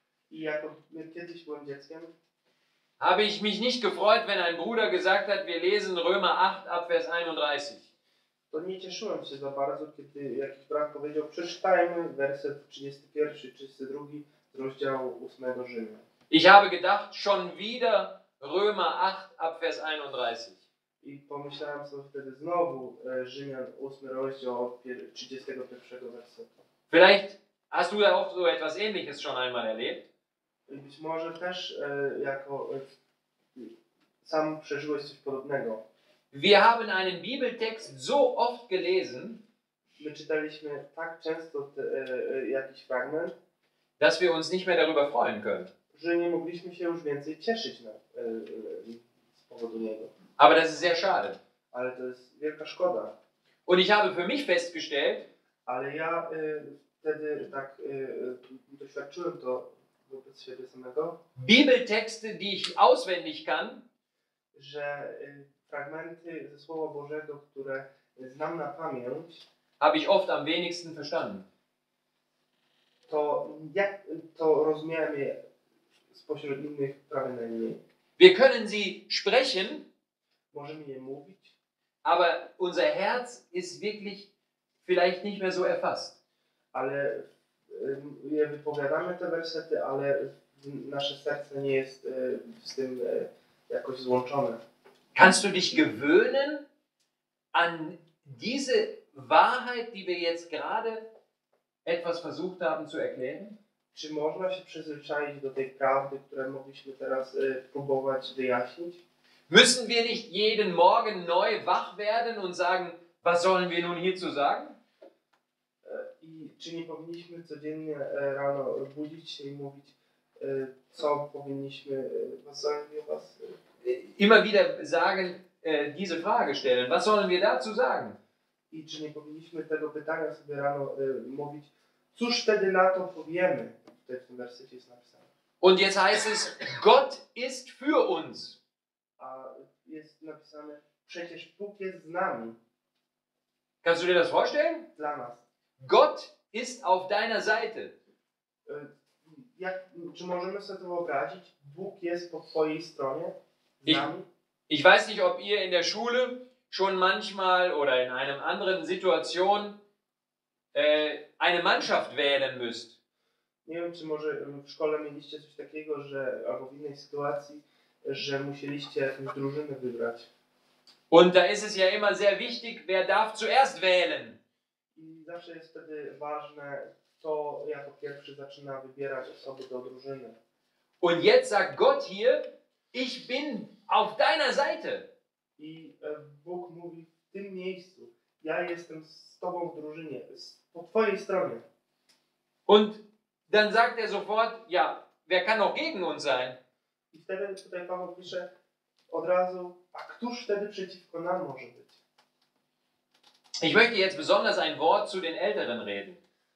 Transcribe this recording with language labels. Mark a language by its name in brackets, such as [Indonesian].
[Polish] i jako kiedyś byłem dzieckiem, [German] habe ich mich nicht gefreut, wenn ein Bruder gesagt hat, wir lesen Römer 8 ab Vers 31. [Polish] To nie cieszyłem się za bardzo, kiedy jakiś brat powiedział, przeczytajmy werset 31, 32 z rozdziału 8 Rzymian. [German] Ich habe gedacht, schon wieder Römer 8 ab Vers 31. [Polish] I pomyślałem sobie wtedy znowu Rzymian 8 rozdział 31 wersetu. [German] Vielleicht hast du ja auch so etwas Ähnliches schon einmal erlebt. [Polish] Być może też jako sam przeżyłeś coś podobnego. [German] Wir haben einen Bibeltext so oft gelesen, [Polish] my czytaliśmy tak często jakiś fragment, [German] dass wir uns nicht mehr darüber freuen können. [Polish] Że nie mogliśmy się już więcej cieszyć na, z powodu niego. [German] Aber das ist sehr schade. [Polish] Ale to jest wielka szkoda. [German] Und ich habe für mich festgestellt, [Polish] ale ja wtedy tak doświadczyłem to wobec siebie samego. [German] Bibeltexte, die ich auswendig kann, [Polish] że fragmenty ze Słowa Bożego, które znam na pamięć, [German] habe ich oft am wenigsten verstanden. [Polish] To ja to rozumiałem je spośród innych prawie najmniej. [German] Wir können sie sprechen, [Polish] możemy je mówić, [German] aber unser Herz ist wirklich vielleicht nicht mehr so erfasst. [Polish] Ale je wypowiadamy te wersety, ale nasze serce nie jest z tym jakoś złączone. [German] Kannst du dich gewöhnen an diese Wahrheit, die wir jetzt gerade etwas versucht haben zu erklären? [Polish] Czy można się przyzwyczaić do tej prawdy, którą mogliśmy teraz próbować wyjaśnić? [German] Müssen wir nicht jeden Morgen neu wach werden und sagen, was sollen wir nun hierzu sagen? [Polish] I czy nie powinniśmy codziennie rano budzić się i mówić, co powinniśmy, [German] was sollen wir was? Immer wieder sagen, diese Frage stellen, was sollen wir dazu sagen? [Polish] I czy nie powinniśmy tego pytania sobie rano mówić, cóż wtedy na to powiemy? Tutaj w tym wersecie jest napisane. [German] Und jetzt heißt es, Gott ist für uns. [Polish] A jest napisane, przecież Bóg jest z nami. [German] Kannst du dir das vorstellen? [Polish] Dla nas. [German] Gott ist auf deiner Seite. [Polish] Jak, czy możemy sobie to wyobrazić? Bóg jest po twojej stronie, z nami. [German] Ich weiß nicht, ob ihr in der Schule schon manchmal oder in einer anderen Situation eine Mannschaft wählen müsst. [Polish] Nie wiem, czy może w szkole mieliście coś takiego, że albo w innej sytuacji, że musieliście jakąś drużynę wybrać. [German] Und da ist es ja immer sehr wichtig, wer darf zuerst wählen. [Polish] I zawsze jest wtedy ważne, kto jako pierwszy zaczyna wybierać osoby do drużyny. [German] Und jetzt sagt Gott hier, ich bin auf deiner Seite. [Polish] I Bóg mówi w tym miejscu, ja jestem z tobą w drużynie, po twojej stronie. [German] Und dann sagt sofort, ja, wer kann auch gegen uns sein? [Polish] I wtedy tutaj Paweł pisze od razu, a któż wtedy przeciwko nam może być? [German] Ich möchte jetzt besonders ein Wort zu den Älteren reden.